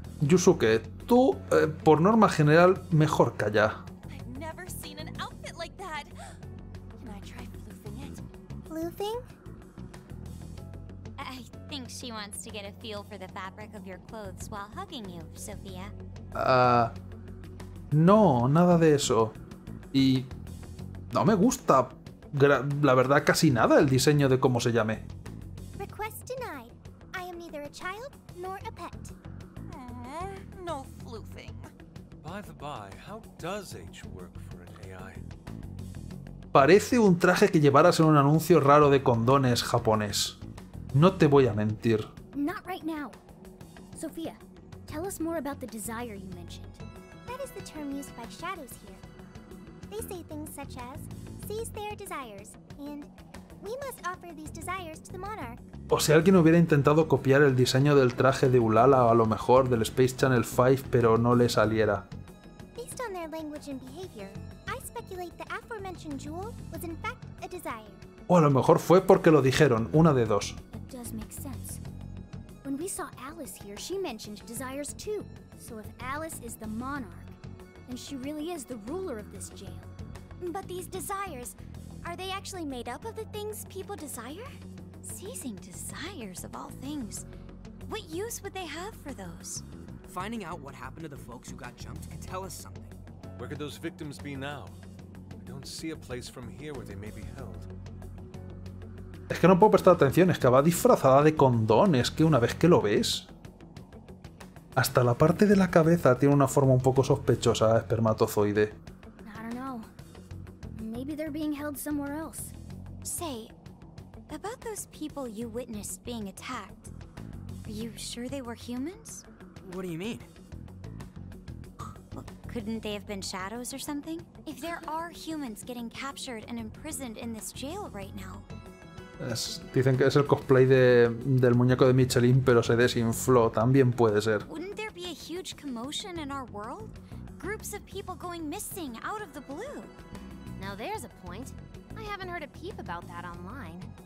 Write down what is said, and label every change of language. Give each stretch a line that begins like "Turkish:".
Spanish: Yusuke, tú, por norma general, mejor calla.
English: I've never seen an outfit like that. Can I try floofing it? Floofing? She wants to get a feel for the fabric of your clothes while hugging you, Sophia.
Spanish: No, nada de eso. Y no me gusta, la verdad, casi nada el diseño de cómo se llame.
English: Request denied. I am neither a child nor a pet. No floofing. By the by, how does H work for an AI?
Spanish: Parece un traje que llevaras en un anuncio raro de condones japonés. No te voy a mentir.
English: Not right now. Sophia, tell us more about the desire you mentioned. That is the term used by shadows here. They say things such as, seize their desires, and we must offer these desires to the monarch.
Spanish: O si alguien hubiera intentado copiar el diseño del traje de Ulala o a lo mejor del Space Channel 5, pero no le saliera.
English: Based on their language and behavior, I speculate the aforementioned jewel was in fact a desire.
Spanish: O a lo mejor fue porque lo dijeron, una de dos.
English: Does make sense. When we saw Alice here, she mentioned desires too. So if Alice is the monarch, then she really is the ruler of this jail. But these desires, are they actually made up of the things people desire? Seizing desires of all things. What use would they have for those? Finding out what happened to the folks who got jumped could tell us something. Where could those victims be now? I don't see a place from here where they may be held.
Spanish: Es que no puedo prestar atención, es que va disfrazada de condón, es que una vez que lo ves... Hasta la parte de la cabeza tiene una forma un poco sospechosa, espermatozoide. No lo sé.
English: Maybe they're being held somewhere else. Say, about those people you witnessed being attacked, are you sure they were humans? What do you mean? Well, couldn't they have been shadows or something? If there are humans getting captured and imprisoned in this jail right now...
Spanish: Es, dicen que es el cosplay de, del muñeco de Michelin, pero se desinfló. También puede ser.
English: Wouldn't there be a huge commotion in our world? Groups of people going missing out of the blue. Now there's a point. I haven't heard a peep about that online.